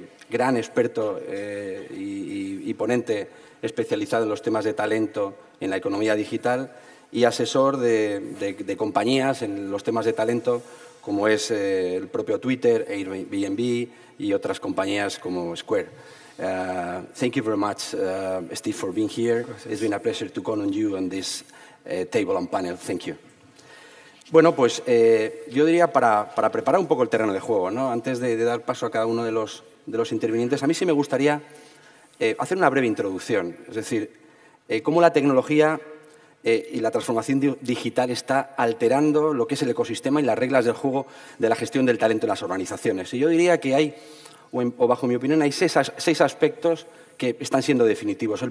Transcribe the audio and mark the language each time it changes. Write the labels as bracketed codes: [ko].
[es] Gran experto y ponente especializado en los temas de talento en la economía digital y asesor de compañías en los temas de talento, como es el propio Twitter, Airbnb y otras compañías como Square. [en] Thank you very much, Steve, for being here. [es] Gracias. [en] It's been a pleasure to count on you on this table and panel. Thank you. [es] Bueno, pues yo diría para preparar un poco el terreno de juego, ¿no? Antes de dar paso a cada uno de los intervinientes, a mí sí me gustaría hacer una breve introducción, es decir, cómo la tecnología y la transformación digital está alterando lo que es el ecosistema y las reglas del juego de la gestión del talento en las organizaciones. Y yo diría que hay, o bajo mi opinión, hay seis aspectos que están siendo definitivos.